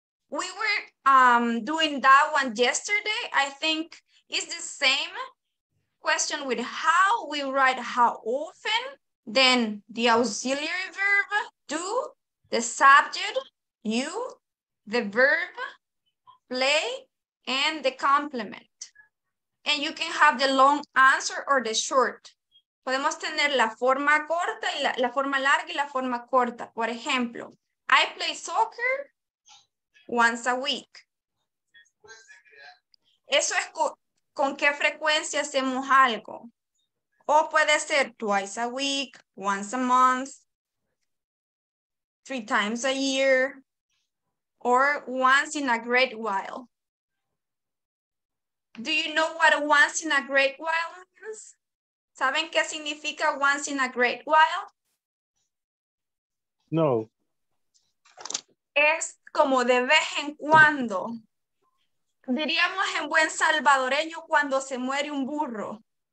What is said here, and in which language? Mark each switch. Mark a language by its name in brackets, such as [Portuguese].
[English] We were doing that one yesterday. I think it's the same question with how we write how often, then the auxiliary verb, do, the subject, you, the verb, play, and the complement. And you can have the long answer or the short. [Spanish] Podemos tener la forma corta y la forma larga y la forma corta. [English] Por ejemplo, I play soccer once a week. [Spanish] Eso es con qué frecuencia hacemos algo. [English] O puede ser twice a week, once a month, three times a year, or once in a great while. Do you know what once in a great while means? ¿Saben qué significa once in a great while? [Spanish] No. Es como de vez en cuando. Diríamos en buen salvadoreño cuando se muere un burro.